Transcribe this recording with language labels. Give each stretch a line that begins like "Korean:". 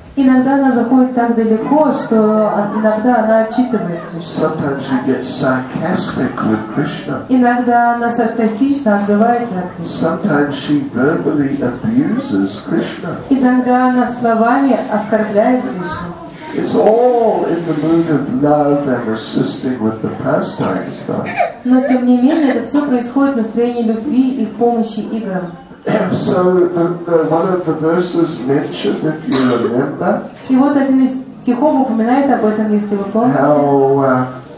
Russian: Иногда она заходит так далеко, что иногда она отчитывает Кришну.
English: Sometimes she gets sarcastic with Krishna.
Russian: Иногда она саркастично отзывается о Кришне.
English: Sometimes she verbally abuses Krishna.
Russian: Иногда она словами оскорбляет Кришну.
English: It's all in the mood of love and assisting with the pastimes, though.
Russian: Но тем не менее, это все происходит в настроении любви и помощи играм.
English: So the one of the verses mentioned, if you remember.
Russian: И вот один из стихов упоминает об этом, если вы помните.